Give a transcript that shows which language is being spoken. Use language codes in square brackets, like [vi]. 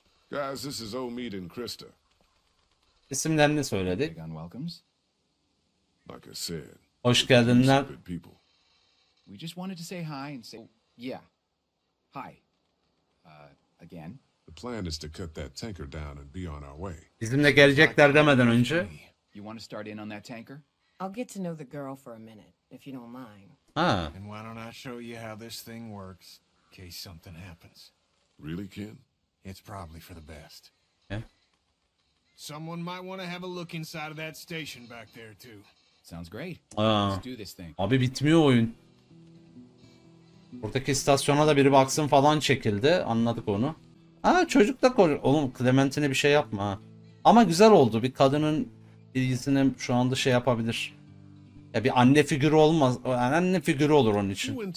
[en] Guys, this is Omid and Krista. [tr] İsimlerini söyledik. [en] Like I said, [tr] hoş geldinler. [en] We just wanted to say hi and say, yeah, hi, again. The plan is to cut that tanker down and be on our way. [tr] Bizimle gelecekler demeden önce. [en] You want to start in on that tanker? I'll get to know the girl for a minute, if you don't mind. Ah. And why don't I show you how this thing works, in case something happens. Really, Ken? It's probably for the best. Yeah. Someone might want to have a look inside of that station back there, too. Sounds great. Let's do this thing. [tr] Abi bitmiyor oyun. Buradaki istasyona da biri baksın falan çekildi. Anladık onu. Ha, çocuk da koy. Oğlum Clementine bir şey yapma. Ama güzel oldu. Bir kadının bilgisini şu anda şey yapabilir. Ya bir anne figürü olmaz. Yani anne figürü olur onun için.